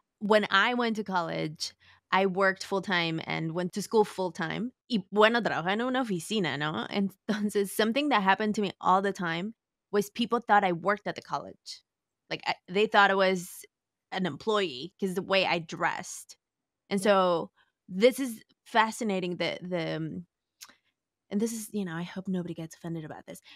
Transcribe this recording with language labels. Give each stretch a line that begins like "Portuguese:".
English: When I went to college, I worked full-time and went to school full-time.
Spanish: Y bueno, trabajé en una oficina, ¿no? Entonces,
English: something that happened to me all the time was people thought I worked at the college. Like, they thought I was an employee because the way I dressed. And so this is fascinating that and this is, you know, I hope nobody gets offended about this.